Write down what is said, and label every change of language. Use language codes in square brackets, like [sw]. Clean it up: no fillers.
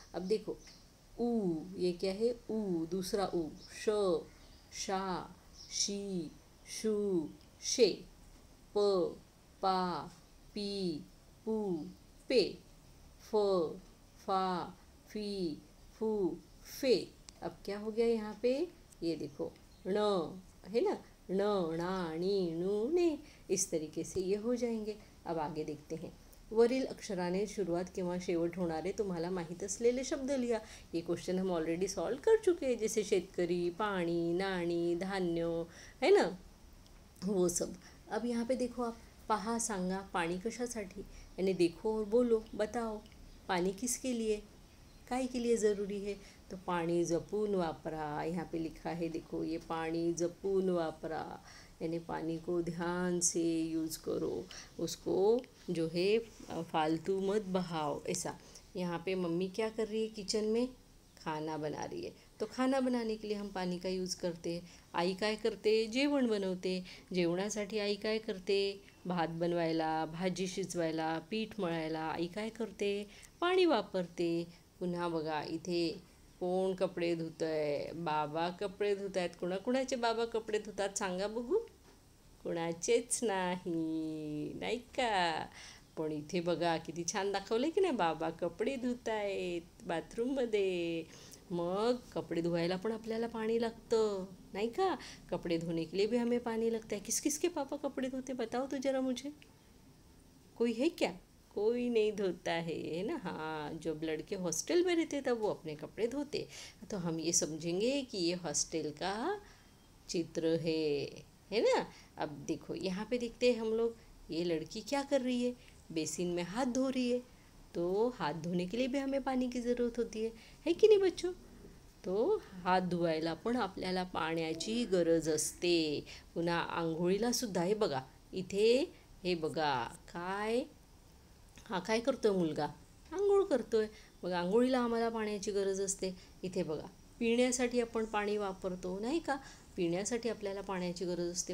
[hi] अब देखो, ऊ ये क्या है, ऊ दूसरा ऊ, श शा शी शु शे, प पा पी पू पे, फ फा फी फू फे। अब क्या हो गया यहाँ पे, ये देखो ण है ना, ण णा णी णू ने, इस तरीके से ये हो जाएंगे। अब आगे देखते हैं, [mr] वरील अक्षराने शुरुआत किंवा शेवट होणारे तुम्हाला माहीत असलेले शब्द लिहा। [hi] ये क्वेश्चन हम ऑलरेडी सॉल्व कर चुके हैं, जैसे शेतकरी, पाणी, नाणी, धान्य, है ना, वो सब। अब यहाँ पे देखो आप, [mr] पहा सांगा, पाणी कशासाठी, [hi] यानी देखो और बोलो बताओ, पाणी किसके लिए, काय के लिए जरूरी है, तो [mr] पाणी जपून वापरा, [hi] यहाँ पे लिखा है देखो, ये पाणी जपून वापरा, यानी पाणी को ध्यान से यूज करो, उसको जो है फालतू मत बहाओ, ऐसा। यहाँ पे मम्मी क्या कर रही है, किचन में खाना बना रही है, तो खाना बनाने के लिए हम पाणी का यूज करते हैं। [mr] आई काय करते, जेवण बनवते, जेवणासाठी आई काय करते, भात बनवायला, भाजी शिजवायला, पीठ मळायला आई काय करते, पाणी वापरते। पुन्हा बघा इथे, कोण कपडे धुतंय, बाबा कपडे धुतायत, कोणाकोणाचे बाबा कपडे धुतात सांगा बघू, कोणाचेच नाही, नाही का। पण इथे बघा किती छान दाखवले की नाही, बाबा कपडे धुत आहेत बाथरूममध्ये, मग कपडे धुवायला पण आपल्याला पाणी लागतं नाही का, [hi] कपडे धुणे के लिए भी हमें [mr] पाणी लागतं आहे. [hi] किस किस के पापा कपडे धुते बताओ तू जरा मुझे, कोई है क्या, कोई नहीं धोता है ना. हाँ, जब लड़के हॉस्टल में रहते तब वो अपने कपड़े धोते, तो हम ये समझेंगे कि ये हॉस्टल का चित्र है ना. अब देखो यहाँ पे देखते हैं हम लोग, ये लड़की क्या कर रही है, बेसिन में हाथ धो रही है, तो हाथ धोने के लिए भी हमें पानी की ज़रूरत होती है कि नहीं बच्चों. [mr] तो हाथ धुवायला पण आपल्याला पाण्याची गरज असते, पुन्हा आंघोळीला सुद्धा. हे बघा इथे, हे बघा काय, हा काय करतो आहे मुलगा, आंघोळ करतो आहे. मग आंघोळीला आम्हाला पाण्याची गरज असते. इथे बघा पिण्यासाठी आपण पाणी वापरतो नाही का, पिण्यासाठी आपल्याला पाण्याची गरज असते.